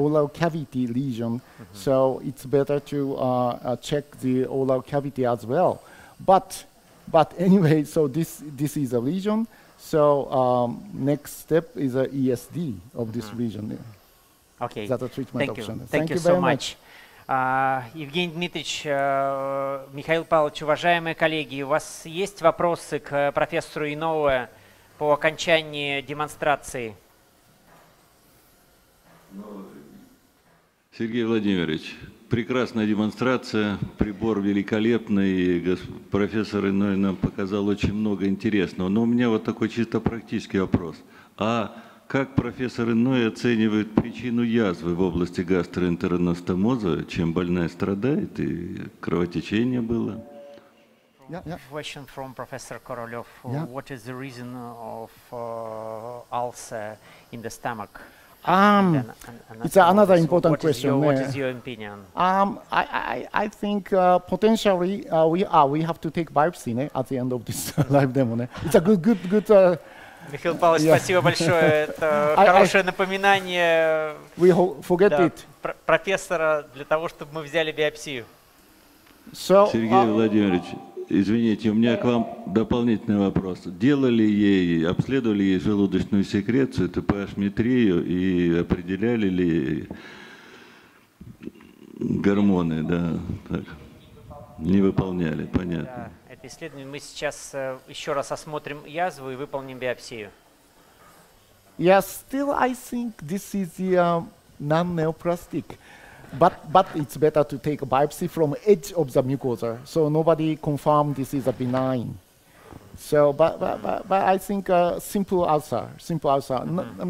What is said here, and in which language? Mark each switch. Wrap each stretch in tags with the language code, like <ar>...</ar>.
<en>oral cavity lesion. Mm-hmm. So it's better to check the oral cavity as well. But anyway, so this is a lesion. So next step is a ESD of this mm-hmm. region. Yeah. Okay. Is that a treatment Thank option? You. Thank you so much.</en> <ru>Евгений Дмитриевич, Михаил Павлович, уважаемые коллеги, у вас есть вопросы к профессору Иноуэ по окончании демонстрации? Ну, Сергей Владимирович, прекрасная демонстрация, прибор великолепный, профессор Иной нам показал очень много интересного. Но у меня вот такой чисто практический вопрос. А как профессор Иной оценивает причину язвы в области гастроэнтероностомоза, чем больная страдает и кровотечение было?</ru> <en>Question from Professor Korolev. Yeah. What is the reason of ulcer in the stomach? It's another important question. What is your opinion? I think potentially we have to take biopsy at the end of this live demo. It's a good.</en> <ru>Михаил Павлович, yeah. Спасибо большое. Это хорошее напоминание.</ru> <en>We forget it.</en> <ru>Профессора для того, чтобы мы взяли биопсию. So, Сергей Владимирович. Извините, у меня к вам дополнительный вопрос. Делали ей, обследовали ей желудочную секрецию, ТПХ-метрию и определяли ли гормоны, да, так. Не выполняли, понятно. Да, это исследование. Мы сейчас еще раз осмотрим язву и выполним биопсию.</ru> <en>Yeah, still I think this is the non-neoplastic. But it's better to take a biopsy from edge of the mucosa, so nobody confirmed this is a benign. So, but I think a simple ulcer. Mm-hmm.</en>